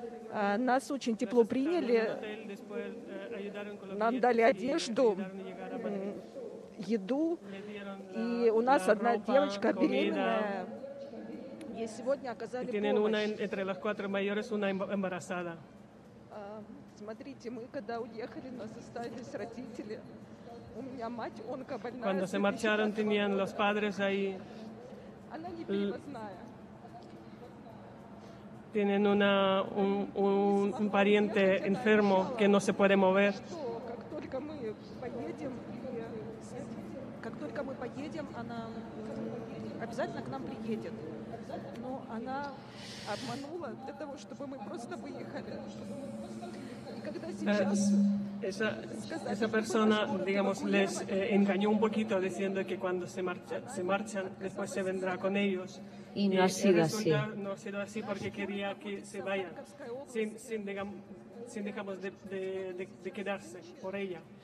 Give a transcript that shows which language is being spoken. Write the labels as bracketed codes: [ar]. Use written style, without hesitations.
[ru] Нас очень тепло приняли. Нам дали одежду, еду, и у нас одна девочка беременная, и сегодня оказали помощь. Смотрите, мы когда уехали, нас остались родители. У меня мать онкобольная. [es] Cuando se marcharon, tenían los padres ahí. [ru] Она не перевозная. [es] Tienen un pariente enfermo que no se puede mover. [ru] Как только мы поедем, как только мы поедем, она обязательно к нам приедет. Но она обманула для того, чтобы мы просто выехали. И когда сейчас... [es] Esa persona, digamos, les engañó un poquito diciendo que cuando se marchan, después se vendrá con ellos. Y no ha sido así. No ha sido así porque quería que se vayan, sin quedarse por ella.